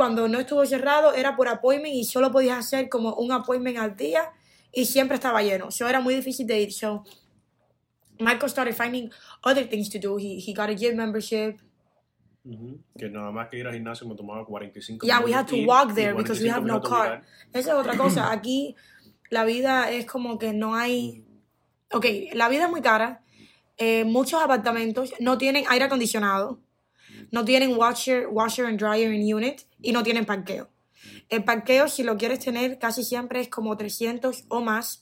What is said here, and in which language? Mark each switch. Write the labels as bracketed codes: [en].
[es] Y cuando no estuvo cerrado, era por appointment y solo podías hacer como un appointment al día y siempre estaba lleno. So era muy difícil de ir. [en] So Michael started finding other things to do. He got a gym membership. Mm-hmm. [es] Que nada más que ir al gimnasio me tomaba 45 minutos. [en] Yeah, we had to walk there because we have no car. [es] Esa es otra cosa. Aquí la vida es como que no hay... Ok, la vida es muy cara. Muchos apartamentos no tienen aire acondicionado. No tienen [en] washer and dryer in unit. [es] Y no tienen parqueo. El parqueo, si lo quieres tener, casi siempre es como 300 o más.